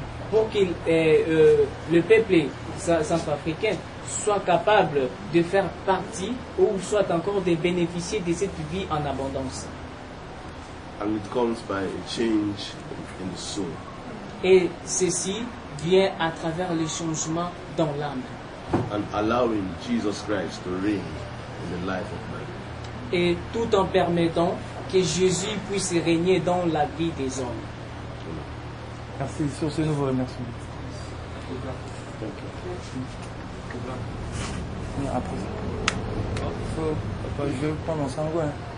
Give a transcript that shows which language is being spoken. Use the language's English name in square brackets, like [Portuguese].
[French] Pour que le peuple centrafricain soit capable de faire partie ou soit encore de bénéficier de cette vie en abondance. [English] And it comes by a change in the soul. [French] Et ceci vient à travers le changement dans l'âme. [English] And allowing Jesus Christ to reign in the life of man. [French] Et tout en permettant que Jésus puisse régner dans la vie des hommes. Merci. Sur ce, nous vous remercions. Merci. Après, je vais prendre mon sang, hein.